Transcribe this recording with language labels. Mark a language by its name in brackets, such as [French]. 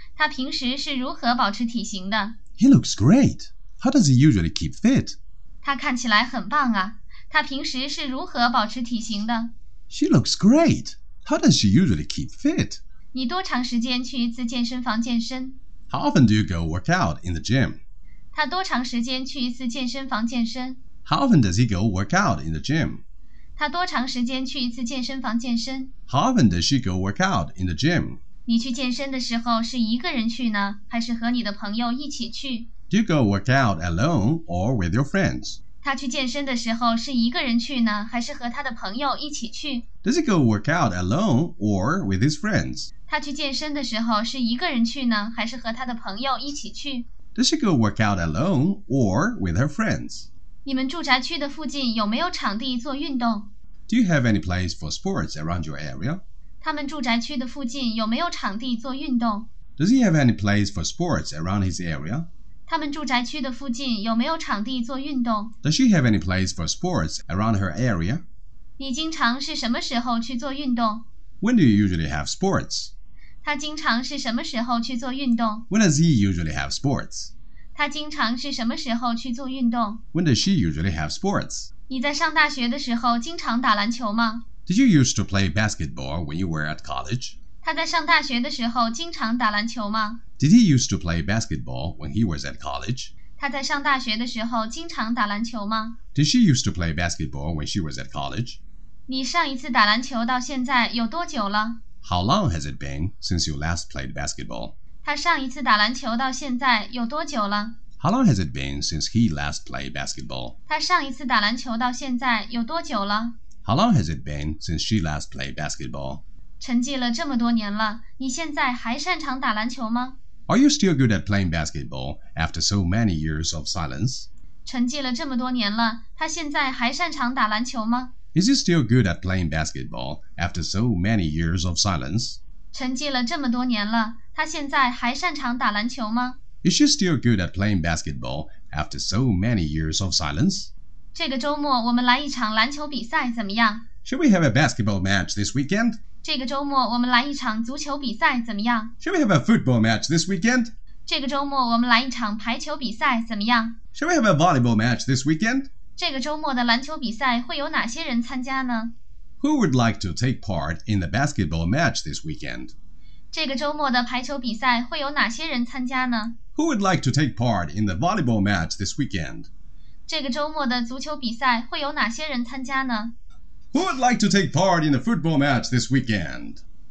[Chinese] 他平时是如何保持体型的 [English] ？He looks great. How does he usually keep fit? [Chinese] 他看起来很棒啊！他平时是如何保持体型的 [English] ？She looks great. How does she usually keep fit? [Chinese] 你多长时间去一次健身房健身？ [English] How often do you go work out in the gym? [Chinese] 他多长时间去一次健身房健身? [English] How often does he go work out in the gym? [Chinese] 他多长时间去一次健身房健身? [English] How often does she go work out in the gym? [Chinese] 你去健身的时候是一个人去呢,还是和你的朋友一起去? [English] Do you go work out alone or with your friends? [Chinese] 他去健身的时候是一个人去呢,还是和他的朋友一起去? [English] Does he go work out alone or with his friends? [Chinese] 他去健身的时候是一个人去呢，还是和他的朋友一起去 [English] ？Does she go work out alone or with her friends? [Chinese] 你们住宅区的附近有没有场地做运动 [English] ？Do you have any place for sports around your area? [Chinese] 他们住宅区的附近有没有场地做运动 [English] ？Does he have any place for sports around his area? [Chinese] 他们住宅区的附近有没有场地做运动 [English] ？Does she have any place for sports around her area? [Chinese] 你经常是什么时候去做运动？ [English] When do you usually have sports? [Chinese] 他经常是什么时候去做运动? [English] When does he usually have sports? [Chinese] 他经常是什么时候去做运动? [English] When does she usually have sports? [Chinese] 你在上大学的时候经常打篮球吗? [English] Did you used to play basketball when you were at college? [Chinese] 他在上大学的时候经常打篮球吗? [English] Did he used to play basketball when he was at college? [Chinese] 他在上大学的时候经常打篮球吗? [English] Did she used to play basketball when she was at college? [Chinese] 你上一次打篮球到现在有多久了 [English] ？How long has it been since you last played basketball? [Chinese] 他上一次打篮球到现在有多久了 [English] ？How long has it been since he last played basketball? [Chinese] 他上一次打篮球到现在有多久了 [English] ？How long has it been since she last played basketball? [Chinese] 沉寂了这么多年了，你现在还擅长打篮球吗 [English] ？Are you still good at playing basketball after so many years of silence? [Chinese] 沉寂了这么多年了，他现在还擅长打篮球吗？ [English] Is he still good at playing basketball after so many years of silence? [Chinese] 沉寂了这么多年了，他现在还擅长打篮球吗？ [English] Is she still good at playing basketball after so many years of silence? [Chinese] 这个周末我们来一场篮球比赛怎么样？ [English] Should we have a basketball match this weekend? [Chinese] 这个周末我们来一场足球比赛怎么样？ [English] Shall we have a football match this weekend? [Chinese] 这个周末我们来一场排球比赛怎么样？ [English] Shall we have a volleyball match this weekend? [Chinese] 这个周末的篮球比赛会有哪些人参加呢？ [English] Who would like to take part in the basketball match this weekend? [Chinese] 这个周末的排球比赛会有哪些人参加呢？ [English] Who would like to take part in the volleyball match this weekend? [Chinese] 这个周末的足球比赛会有哪些人参加呢？ [English] Who would like to take part in the football match this weekend?